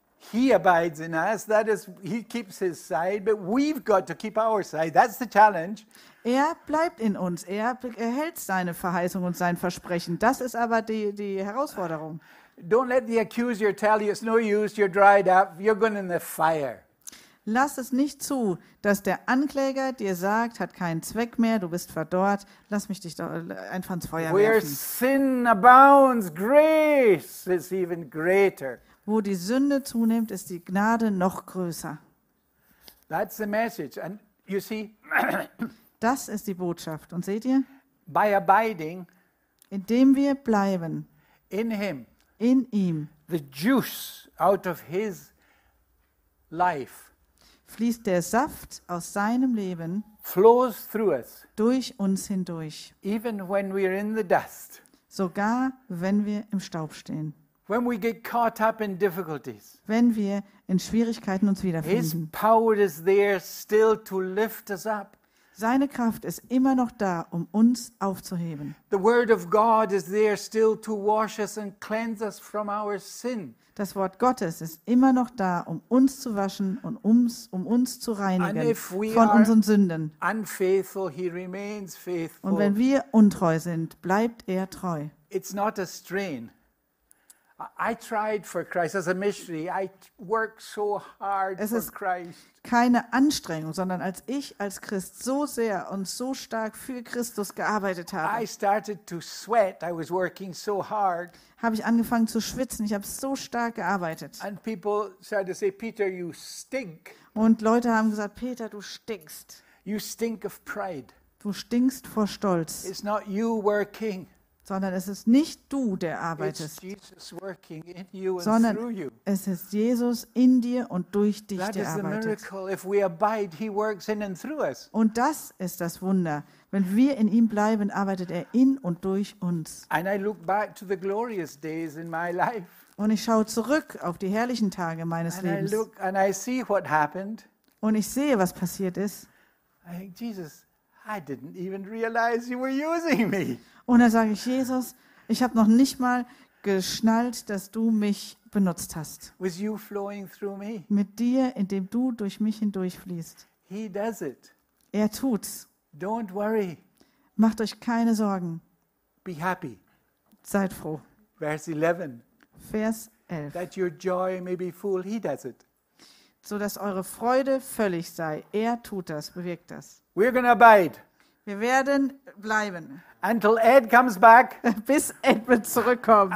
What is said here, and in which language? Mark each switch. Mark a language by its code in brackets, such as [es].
[en] he abides in us, that is, he keeps his side, but we've got to keep our side. That's the challenge. [de] Er bleibt in uns, er erhält seine Verheißung und sein Versprechen. Das ist aber die Herausforderung. [en] Don't let the accuser tell you it's no use, you're dried up, you're going in the fire. [de] Lass es nicht zu, dass der Ankläger dir sagt, hat keinen Zweck mehr, du bist verdorrt, lass mich dich doch einfach ins Feuer werfen. [en] Where sin abounds, grace is even greater. [de] Wo die Sünde zunimmt, ist die Gnade noch größer. [en] That's the message. And you see, [de] das ist die Botschaft. Und seht ihr? [en] By abiding, [de] indem wir bleiben [en] in him, [de] in ihm, [en] the juice out of his life, [de] fließt der Saft aus seinem Leben, [en] flows through us, [de] durch uns hindurch, [en] even when we are in the dust, [de] sogar wenn wir im Staub stehen. [en] When we get caught up in difficulties, [de] wenn wir in Schwierigkeiten uns wiederfinden, [en] his power is there still to lift us up. [de] Seine Kraft ist immer noch da, um uns aufzuheben. [en] The word of God is there still to wash us and cleanse us from our sin. [de] Das Wort Gottes ist immer noch da, um uns zu waschen und um uns zu reinigen von unseren Sünden. [en] Unfaithful, he remains faithful. [de] Und wenn wir untreu sind, bleibt er treu. [en] It's not a strain. I tried for Christ as a missionary. I worked so hard for Christ. [de] Es ist keine Anstrengung, sondern als ich als Christ so sehr und so stark für Christus gearbeitet habe. [en] I started to sweat. I was working so hard. [de] Habe ich angefangen zu schwitzen. Ich habe so stark gearbeitet. [en] And people started to say, Peter, you stink. [de] Und Leute haben gesagt, Peter, du stinkst. [en] You stink of pride. [de] Du stinkst vor Stolz. [en] It's not you working. [de] Sondern es ist nicht du, der arbeitest. [en] It's Jesus working in you and [de] sondern [en] through you. [de] Es ist Jesus in dir und durch dich, [en] that [de] der [en] is [de] arbeitet. [en] The miracle. If we abide, he works in and through us. [de] Und das ist das Wunder. Wenn wir in ihm bleiben, arbeitet er in und durch uns. [en] And I look back to the glorious days in my life. [de] Und ich schaue zurück auf die herrlichen Tage meines Lebens. [en] And I look and I see what happened. [de] Und ich sehe, was passiert ist. [en] I think, Jesus, I didn't even realize you were using me. [de] Und dann sage ich, Jesus, ich habe noch nicht mal geschnallt, dass du mich benutzt hast. [en] With you flowing through me. [de] Mit dir, indem du durch mich hindurchfließt. [en] He does it. [de] Er tut's. [en] Don't worry. [de] Macht euch keine Sorgen. [en] Be happy. [de] Seid froh. [en] Verse 11. [de] Vers 11. [en] That your joy may be full, he does it. [de] So dass eure Freude völlig sei. Er tut das, bewirkt das. [en] We're gonna abide. [de] Wir werden bleiben. [en] Until Ed comes back. [de] Bis Edmund zurückkommt.